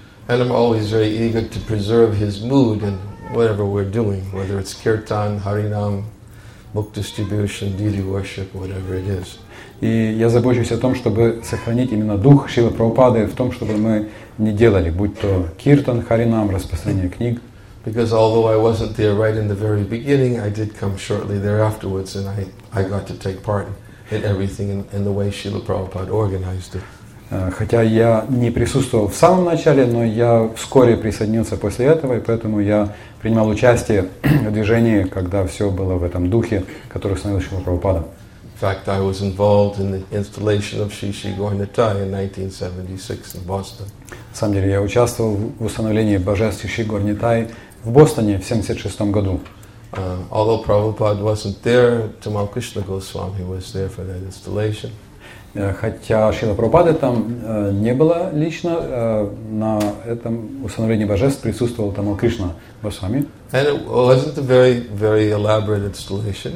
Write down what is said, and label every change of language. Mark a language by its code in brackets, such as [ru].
[en] And I'm always very eager to preserve his mood in whatever we're doing, whether it's kirtan, harinam, book distribution, deity worship, whatever it is. [ru] И я забочусь о том, чтобы сохранить именно дух Шрила Прабхупады в том, чтобы мы не делали, будь то киртан, харинам, распространение книг. [en] Because although I wasn't there right in the very beginning, I did come shortly thereafter, and I got to take part in everything in the way Srila Prabhupada organized it. [ru] Хотя я не присутствовал в самом начале, но я вскоре присоединился после этого, и поэтому я принимал участие в движении, когда все было в этом духе, который установил Шрила Прабхупада. [en] In fact, I was involved in the installation of Shri Shri Gaur-Nitai in 1976 in Boston. [ru] На самом деле, я участвовал в установлении божеств Шри Гаур-Нитай в Бостоне в 76 году. [en] Although Prabhupada wasn't there, Tamal Krishna Goswami was there for that installation. [ru] Хотя Шрила Прабхупады там не было лично, на этом установлении божеств присутствовал Тамал Кришна Госвами. [en] And it wasn't a very, very elaborate installation.